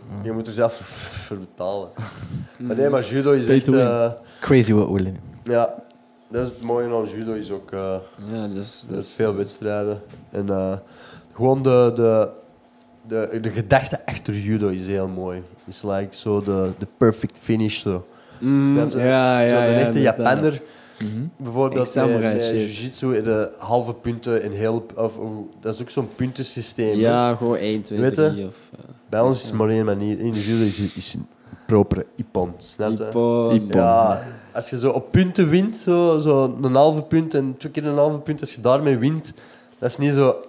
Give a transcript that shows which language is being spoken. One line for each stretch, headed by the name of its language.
Dutch: Je moet er zelf voor betalen. Maar nee, maar judo is echt...
English: crazy what we're doing.
Dutch: Ja, dat is het mooie aan judo, is ook dus veel wedstrijden. En gewoon de gedachte achter judo is heel mooi.
English: It's like so the perfect finish. So.
Dutch: Een echte Japaner. Mm-hmm. Bijvoorbeeld bij jiu-jitsu de halve punten in heel... dat is ook zo'n puntensysteem. Ja, gewoon 1, 2, 3. Bij ons is het maar één manier. In de judo is een proper ippon. Ippon. Ja, als je zo op punten wint, zo een halve punt en 2 keer een halve punt, als je daarmee wint, dat is niet zo...